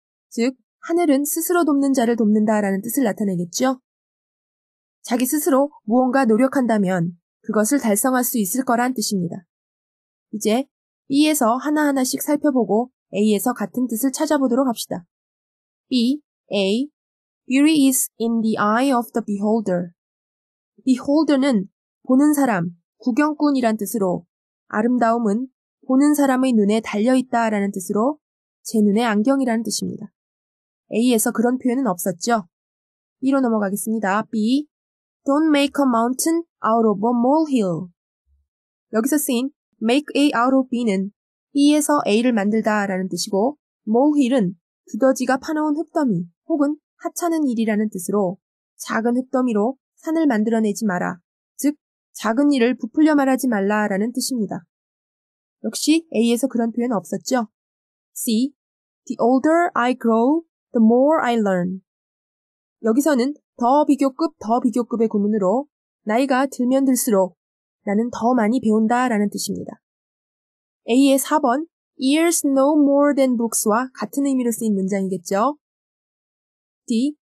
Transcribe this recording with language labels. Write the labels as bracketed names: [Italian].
[Korean] 즉, 하늘은 스스로 돕는 자를 돕는다라는 뜻을 나타내겠죠. 자기 스스로 무언가 노력한다면 그것을 달성할 수 있을 거란 뜻입니다. 이제 B에서 하나하나씩 살펴보고 A에서 같은 뜻을 찾아보도록 합시다. [English] B, A, Beauty is in the eye of the beholder. [Korean] Beholder는 보는 사람, 구경꾼이란 뜻으로 아름다움은 보는 사람의 눈에 달려있다 라는 뜻으로 제 눈의 안경이라는 뜻입니다. A에서 그런 표현은 없었죠. B로 넘어가겠습니다. [English] B, Don't make a mountain out of a molehill. [Korean] 여기서 쓰인 make A out of B는 B에서 A를 만들다 라는 뜻이고 molehill은 두더지가 파놓은 흙더미 혹은 하찮은 일이라는 뜻으로 작은 흙더미로 산을 만들어내지 마라. 즉, 작은 일을 부풀려 말하지 말라라는 뜻입니다. 역시 A에서 그런 표현 없었죠? C. [English] The older I grow, the more I learn. [Korean] 여기서는 더 비교급, 더 비교급의 구문으로 나이가 들면 들수록 나는 더 많이 배운다라는 뜻입니다. A의 4번, [English] Years know more than books [Korean] 와 같은 의미로 쓰인 문장이겠죠? D.